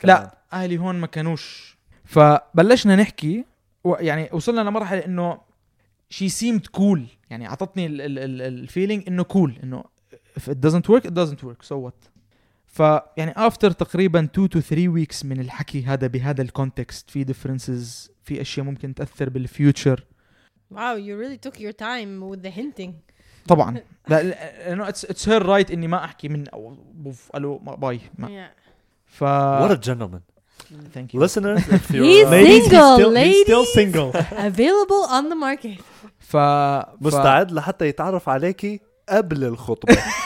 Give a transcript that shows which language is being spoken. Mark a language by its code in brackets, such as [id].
[ar] لا أهلي هون ما كانوش فبلشنا نحكي يعني وصلنا لمرحلة إنه [en] she seemed cool [ar] يعني عطتني ال feeling إنه cool إنه [en] if it doesn't work so what [ar] فيعني [en] after [ar] تقريبا [en] 2 to 3 weeks [ar] من الحكي هذا بهذا الكونتكست, في differences, في أشياء ممكن تأثر بالفيوتشر. [en] Wow, you really took your time with the hinting. [ar] طبعا لأنه [en] it's her right [ar] إني ما أحكي من ألو باي. [en] What a gentleman. Thank you. Listeners, if you're he's still single. Available on the market. [ar] مستعد لحتى يتعرف عليك قبل الخطبة.